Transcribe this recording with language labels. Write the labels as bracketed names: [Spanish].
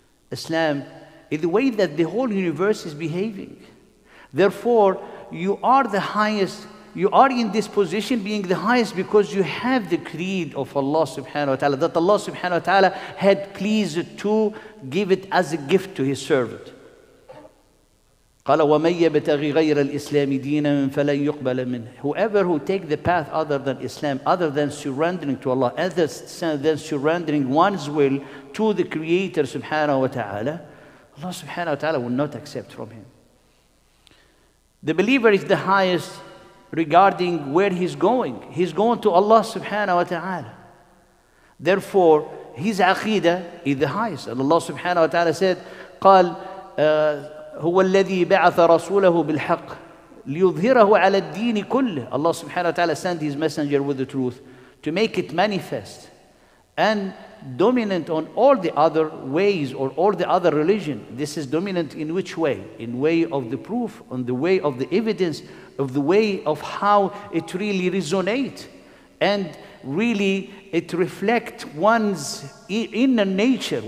[English] Islam is the way that the whole universe is behaving. Therefore, you are the highest, you are in this position being the highest because you have the creed of Allah subhanahu wa ta'ala, that Allah subhanahu wa ta'ala had pleased to give it as a gift to his servant. [Arabic] قال ومن يبتغي غير الإسلام دينا فلن يقبل منه. [English] Whoever who take the path other than Islam, other than surrendering to Allah, other than surrendering one's will to the Creator subhanahu wa ta'ala, Allah subhanahu wa ta'ala will not accept from him. The believer is the highest regarding where he's going. He's going to Allah subhanahu wa ta'ala. Therefore, his aqidah is the highest. And Allah subhanahu wa ta'ala said, [Arabic] قال هو الذي بعث رسوله بالحق ليظهره على الدين كله. [English] Allah subhanahu wa ta'ala sent his messenger with the truth to make it manifest and dominant on all the other ways or all the other religion. This is dominant in which way? In way of the proof, on the way of the evidence, of the way of how it really resonates and really it reflects one's inner nature.